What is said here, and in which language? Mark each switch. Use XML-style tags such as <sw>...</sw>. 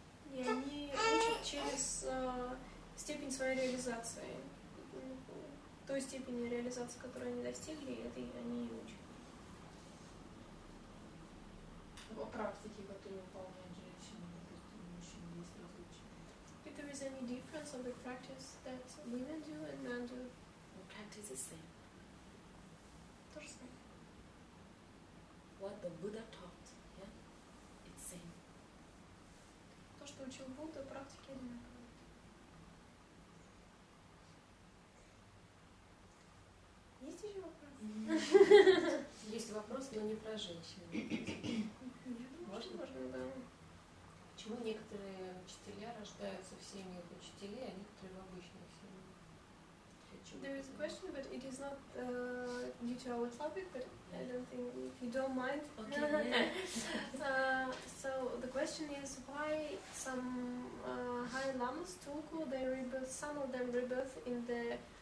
<ru>И они учат через степень своей реализации. Той степени реализации, которую они достигли, это они и учат. О практике, которую выполняют женщины, допустим, мужчины, есть различия. Это</ru> <en>there is any difference of the practice that women do and men do. The practice is the same.</en> <ru>То же самое.</ru> <en>What the Buddha taught, yeah? It's the same.</en> <ru>То, что учил Будда, практики одинаковые. Есть еще вопросы? Есть вопрос, но не про женщин. Я думаю, что можно, да. Почему некоторые учителя рождаются в семьях учителей, а некоторые в обычных семьях?</ru> <en>There is a question, but it is not due to our topic, but I don't think, if you don't mind. Okay, yeah. So the question is, why some high lamas, tulku, they rebirth, some of them rebirth in the...</en>